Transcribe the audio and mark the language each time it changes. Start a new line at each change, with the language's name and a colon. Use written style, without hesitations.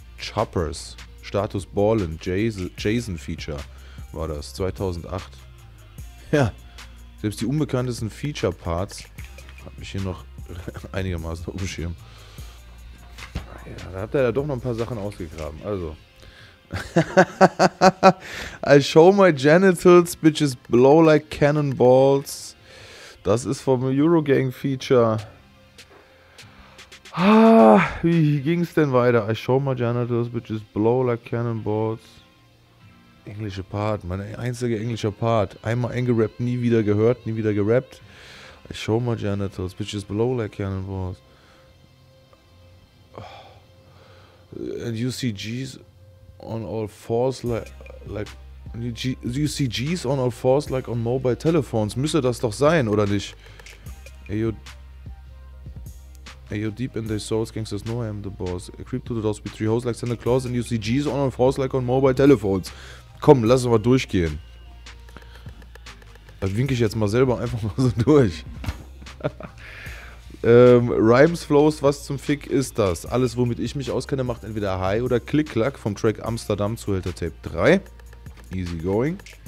German: Choppers, Status Ballin, Jason Feature war das, 2008. Ja, selbst die unbekanntesten Feature-Parts hat mich hier noch einigermaßen auf dem Schirm. Ja, da hat er da doch noch ein paar Sachen ausgegraben. Also.
English: I show my genitals, bitches blow like cannonballs.
German: Das ist vom Eurogang-Feature. Ah, wie ging's denn weiter?
English: I show my genitals, bitches blow like cannonballs.
German: Englische Part, mein einziger englischer Part. Einmal angerappt, nie wieder gehört, nie wieder gerappt.
English: I show my genitals, bitches blow like cannonballs. And you see G's on all fours like you see G's on all fours like on mobile telephones.
German: Müsste das doch sein, oder nicht?
English: Ayo, deep in their souls, gangsters know I am the boss. I creep to the doors with three hoes like Santa Claus and you see G's on all fours like on mobile telephones.
German: Komm, lass uns mal durchgehen. Da winke ich jetzt mal selber einfach mal so durch. Rhymes, Flows, was zum Fick ist das? Alles, womit ich mich auskenne, macht entweder High oder Klick-Klack vom Track Amsterdam zu Hälter Tape 3.
English: Easy going.